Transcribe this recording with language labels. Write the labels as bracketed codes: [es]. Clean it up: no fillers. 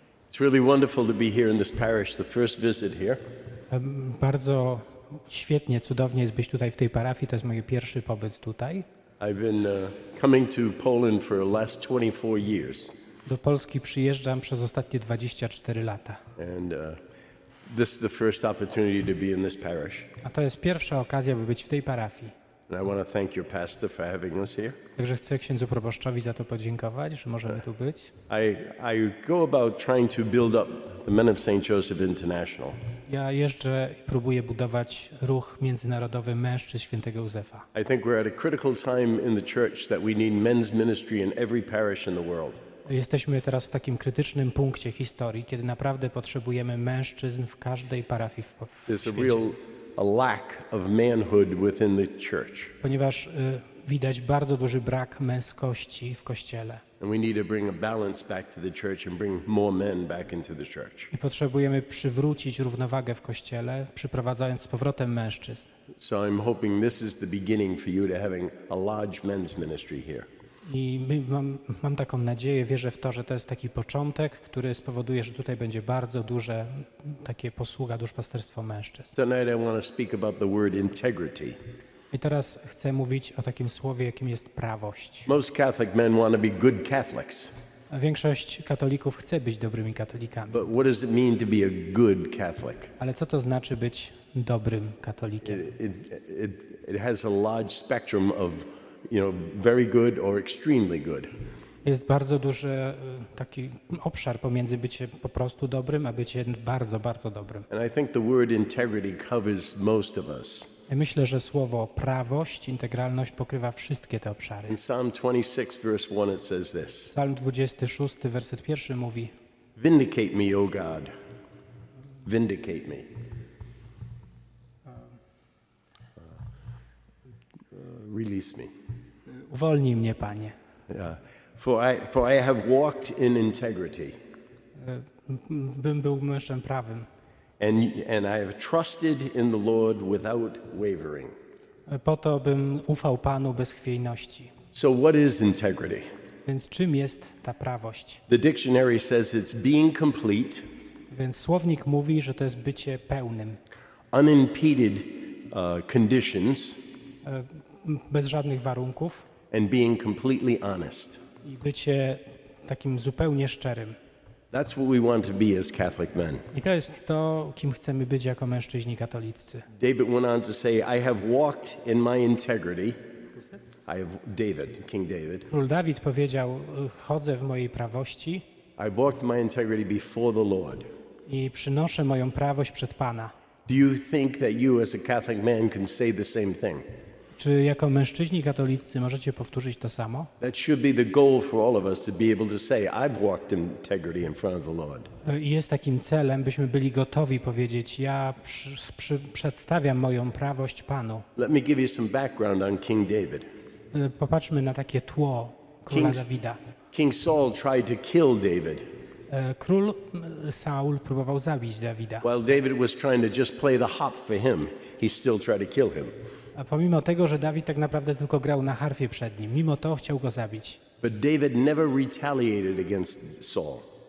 [en] It's really wonderful to be here in this parish, the first visit here. [pl] Bardzo świetnie, cudownie jest być tutaj w tej parafii. To jest mój pierwszy pobyt tutaj. [en] I've been coming to Poland for the last 24 years. [pl] Do Polski przyjeżdżam przez ostatnie 24 lata. [en] And this is the first opportunity to be in this parish. [pl] A to jest pierwsza okazja, by być w tej parafii. [en] And I want to thank your pastor for having us here. [pl] Także chcę księdzu proboszczowi za to podziękować, że możemy tu być. [en] I go about trying to build up the Men of St. Joseph International. [pl] Ja jeżdżę i próbuję budować ruch międzynarodowy mężczyzn Świętego Józefa. [en] I think we're at a critical time in the church that we need men's ministry in every parish in the world. [pl] Jesteśmy teraz w takim krytycznym punkcie historii, kiedy naprawdę potrzebujemy mężczyzn w każdej parafii w świecie. [en] There's a real lack of manhood within the church. [pl] Ponieważ widać bardzo duży brak męskości w kościele. [en] And we need to bring a balance back to the church and bring more men back into the church. [pl] I potrzebujemy przywrócić równowagę w kościele, przyprowadzając z powrotem mężczyzn. [en] So I'm hoping this is the beginning for you to having a large men's ministry here. [pl] I mam taką nadzieję, wierzę w to, że to jest taki początek, który spowoduje, że tutaj będzie bardzo duże takie posługa duszpasterstwo mężczyzn. [en] Tonight I want to speak about the word integrity. [pl] I teraz chcę mówić o takim słowie, jakim jest prawość. [en] Most Catholic men want to be good Catholics. [pl] A większość katolików chce być dobrymi katolikami. [en] But what does it mean to be a good Catholic? [pl] Ale co to znaczy być dobrym katolikiem? [en] It has a large spectrum of, you know, very good or extremely good. [pl] Jest bardzo duży taki obszar pomiędzy byciem po prostu dobrym a byciem bardzo, bardzo dobrym. [en] And I think the word integrity covers most of us. [pl] Ja myślę, że słowo prawość, integralność pokrywa wszystkie te obszary. [en] In Psalm 26, verse 1, it says this. [pl] Psalm 26, werset 1 mówi: [en] Vindicate me, O God. Vindicate me. Release me. [pl] Uwolnij mnie, Panie. Yeah. [en] For I have walked in integrity. [pl] Bym był mężem prawym. [en] And I have trusted in the Lord without wavering. [pl] Po to, bym ufał Panu bez chwiejności. [en] So what is integrity? [pl] Więc czym jest ta prawość? [en] The dictionary says it's being complete. [pl] Więc słownik mówi, że to jest bycie pełnym. [en] Unimpeded conditions. [pl] Bez żadnych warunków. [en] And being completely honest. [pl] I bycie takim zupełnie szczerym. [en] That's what we want to be as Catholic men. [pl] I to jest to, kim chcemy być jako mężczyźni katolicy. [en] David went on to say, I have walked in my integrity. I have David, King David. [pl] Król Dawid powiedział, chodzę w mojej prawości. [en] I walked my integrity before the Lord. [pl] I przynoszę moją prawość przed Pana. [en] Do you think that you as a Catholic man can say the same thing? [pl] Czy jako mężczyźni katolicy możecie powtórzyć to samo? [en] That should be the goal for all of us to be able to say I've walked in integrity in front of the Lord. [pl] Jest takim celem, byśmy byli gotowi powiedzieć ja przedstawiam moją prawość Panu. [en] Let me give you some background on King David. [pl] Popatrzmy na takie tło króla Dawida. [en] King Saul tried to kill David. [pl] Król Saul próbował zabić Dawida. [en] While David was trying to just play the harp for him, he still tried to kill him. [pl] A pomimo tego, że Dawid tak naprawdę tylko grał na harfie przed nim, mimo to chciał go zabić. [en] But David never retaliated against Saul.